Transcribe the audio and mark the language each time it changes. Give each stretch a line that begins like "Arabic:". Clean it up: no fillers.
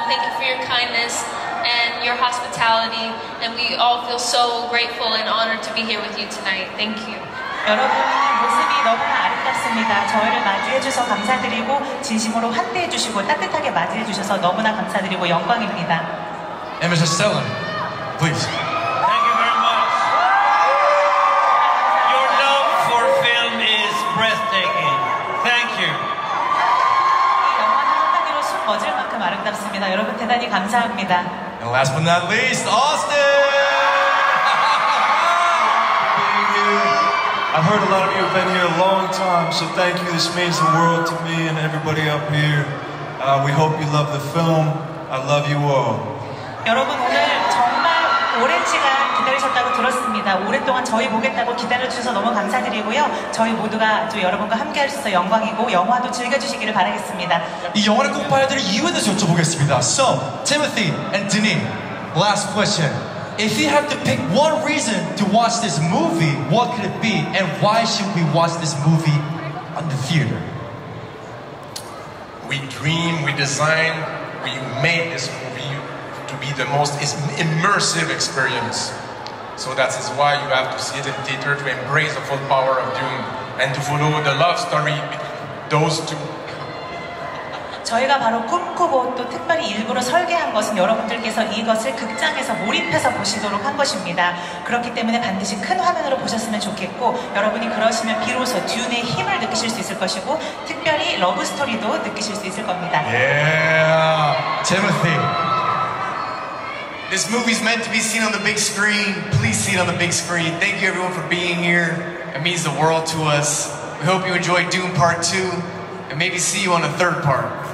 English: Thank you for your kindness and your hospitality. And we all feel so grateful and honored to be here with you tonight. Thank you.
Korean: 여러분의 모습이 너무나 아름답습니다. 저희를 맞이해 주셔서 감사드리고 진심으로 환대해 주시고 따뜻하게 맞이해 주셔서 너무나 감사드리고 영광입니다.
English: MS Stellan, please. Thank you very much. Your love for film is breathtaking. Thank you.
Korean: 영화는 한마디로 숨 멎을 만큼 아름답습니다. 여러분 대단히 감사합니다.
English: And last but not least, Austin! I've heard a lot of you have been here a long time, so thank you. This means the world to me and everybody up here. We hope you love the film. I love you all.
Korean: 여러분 오늘 정말 오랜 시간 기다리셨다고 들었습니다. 오랫동안 저희 보겠다고 기다려주셔서 너무 감사드리고요. 저희 모두가 또 여러분과 함께할 수 있어 영광이고 영화도 즐겨주시기를 바라겠습니다. 이 영화를 꼭 봐야 될 이유에 대해서 여쭤보겠습니다.
English: So, Timothy and Denise, last question. If you have to pick one reason to watch this movie, what could it be? And why should we watch this movie on the theater? We dream, we design, we made this movie to be the most immersive experience. So that's why you have to see it in theater to embrace the full power of Dune and to follow the love story between those two.
Korean: 저희가 바로 꿈꾸고 또 특별히 일부러 설계한 것은 여러분들께서 이것을 극장에서 몰입해서 보시도록 한 것입니다. 그렇기 때문에 반드시 큰 화면으로 보셨으면 좋겠고 여러분이 그러시면 비로소 듄의 힘을 느끼실 수 있을 것이고 특별히 러브 스토리도 느끼실 수 있을 겁니다.
English: Yeah, Timothy. This movie is meant to be seen on the big screen. Please see it on the big screen. Thank you everyone for being here. It means the world to us. We hope you enjoy Dune Part 2 and maybe see you on the third part.